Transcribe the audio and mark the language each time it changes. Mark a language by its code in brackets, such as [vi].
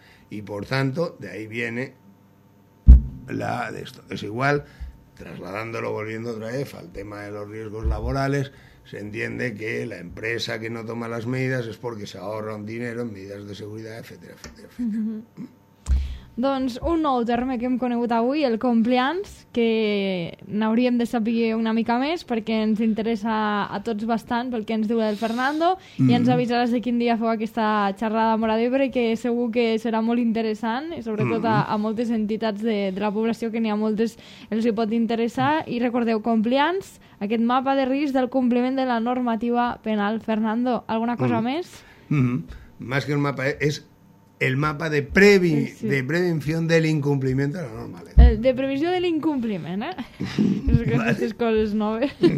[es] Y por tanto, de ahí viene la de esto. Es igual, trasladándolo, volviendo otra vez al tema de los riesgos laborales, se entiende que la empresa que no toma las medidas es porque se ahorra un dinero en medidas de seguridad, etcétera, etcétera, etcétera. [ca] Doncs un nou terme que hem conegut avui, el compliance, que n'hauríem de saber una mica més perquè ens interessa a tots bastant pel que ens diu el Fernando i ens avisaràs de quin dia feu aquesta xerrada a Móra d'Ebre, que segur que serà molt interessant i sobretot a moltes entitats de la població, que n'hi ha moltes els hi pot interessar. I recordeu, compliance, aquest mapa de risc del compliment de la normativa penal. Fernando, alguna cosa més? [es] Más que un mapa, [ca] és [es] el mapa de de prevención del incumplimiento de la norma legal. [ca] De previsió de l'incompliment, eh? És que vale. Aquestes coses noves.